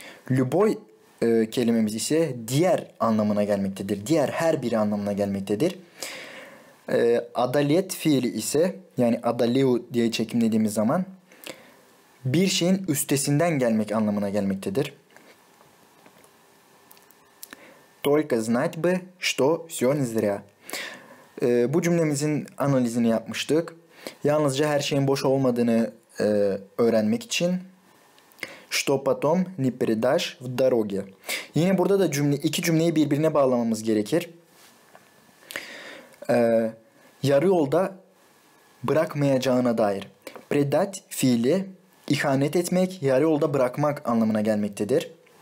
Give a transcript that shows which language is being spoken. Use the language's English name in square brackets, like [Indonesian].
[Turkish] Любой kelimemiz ise diğer anlamına gelmektedir. Diğer her biri anlamına gelmektedir. Adalet fiili ise yani adaleu diye çekimlediğimiz zaman bir şeyin üstesinden gelmek anlamına gelmektedir. [Russian] Только знать бы, что все не зря. [Turkish] Bu cümlemizin analizini yapmıştık. Yalnızca her şeyin boş olmadığını öğrenmek için. [Russian] Что потом не передашь в дороге. [Turkish] Yine burada da iki cümleyi birbirine bağlamamız gerekir. Yarı yolda bırakmayacağına dair. Предать fiili ihanet etmek, yarı yolda bırakmak anlamına gelmektedir.